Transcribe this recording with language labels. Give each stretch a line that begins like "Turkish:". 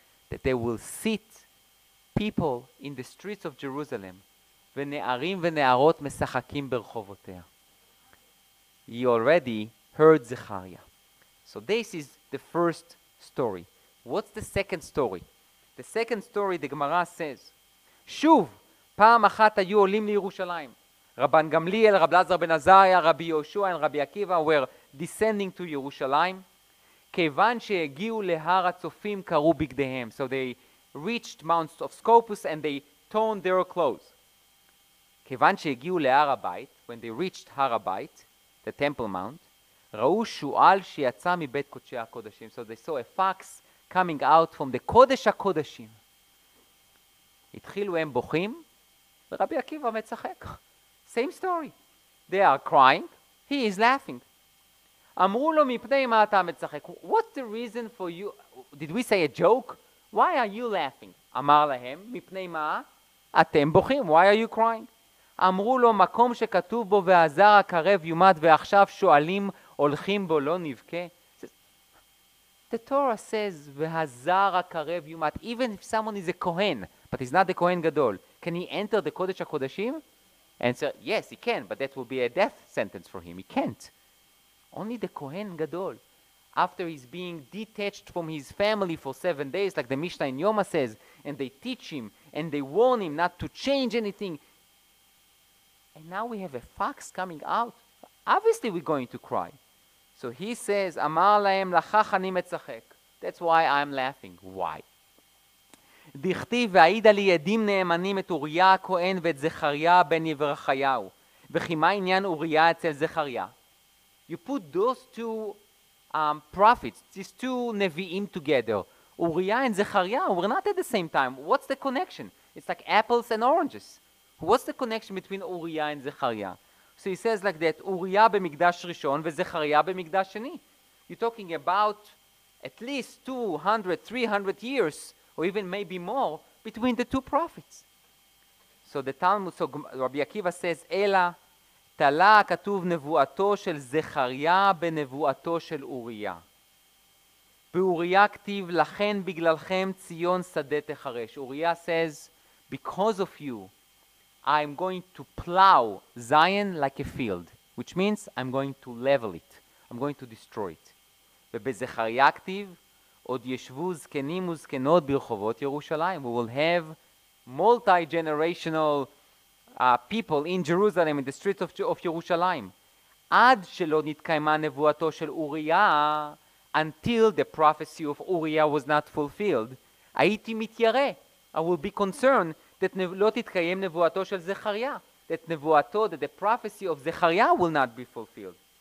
English: That they will sit people in the streets of Jerusalem
Hebrew: ונערים ונערות משחקים ברחובותיה.
English: He already heard Zechariah. So this is the first story. What's the second story? The second story, the Gemara says,
Hebrew: שוב, פעם אחת היו עולים לירושלים. רבן גמליאל, רב לזר בן עזריה, רבי יהושע ורבי עקיבא
English: were descending to Jerusalem.
Hebrew: כיוון שהגיעו להר הצופים קרו בגדיהם.
English: So they reached Mount of Scopus and they torn their clothes.
Hebrew: כיוון שהגיעו להר הבית,
English: when they reached
Hebrew: הר הבית,
English: the Temple Mount,
Hebrew: ראו שועל שיצא מבית קודשי הקודשים.
English: So they saw a fox coming out from the קודש הקודשים.
Hebrew: התחילו הם בוכים, ורבי עקיבא מצחק.
English: Same story. They are crying, he is laughing.
Hebrew: אמרו לו, מפני מה אתה מצחק?
English: What's the reason for you? Did we say a joke? Why are you laughing?
Hebrew: אמר להם, מפני מה? אתם בוכים,
English: why are you crying?
Hebrew: אמרו לו, מקום שכתוב בו והזר הקרב יומד ועכשיו שואלים הולכים בו לא נבכה.
English: The Torah says
Hebrew: והזר הקרב יומד.
English: Even if someone is a Kohen, but he's not a Kohen גדול, can he enter the Kodesh HaKodashim? Answer, yes, he can, but that will be a death sentence for him. He can't. Only the Kohen גדול, after he's being detached from his family for 7 days, like the Mishnah in Yoma says, and they teach him and they warn him not to change anything. And now we have a fox coming out. Obviously we're going to cry. So he says,
Hebrew: אמר להם, לכך אני מצחק.
English: That's why I'm laughing. Why?
Hebrew: דכתיב, והעידה לי עדים נאמנים את אוריה הכהן ואת זכריה בן יברכיהו. וכי מה עניין אוריה אצל זכריה?
English: You put those two prophets, these two נביאים together. אוריה and זכריה, we're not at the same time. What's the connection? It's like apples and oranges. What's the connection between Uriah and Zechariah? So he says like that, Uriah
Hebrew: במקדש ראשון וזכריה במקדש שני.
English: You're talking about at least 200, 300 years, or even maybe more, between the two prophets. So the Talmud, so Rabbi Akiva says,
Hebrew: אלא תלה כתוב נבואתו של זכריה בנבואתו של אוריה. באוריה כתיב, לכן בגללכם ציון שדה תחרש.
English: Uriah says, because of you, I'm going to plow Zion like a field, which means I'm going to level it. I'm going to destroy it.
Hebrew: ובזכריה כתיב, עוד ישבו זקנים וזקנות ברחובות ירושלים.
English: We will have multi-generational people in Jerusalem, in the streets of Jerusalem.
Hebrew: Ad shelo nitkaima nevuato shel Uriah,
English: until the prophecy of Uriah was not fulfilled,
Hebrew: hayiti mityare,
English: I will be concerned that
Hebrew: lo titkayem nevuato shel Zechariah,
English: that
Hebrew: nevuato,
English: that the prophecy of Zechariah will not be fulfilled.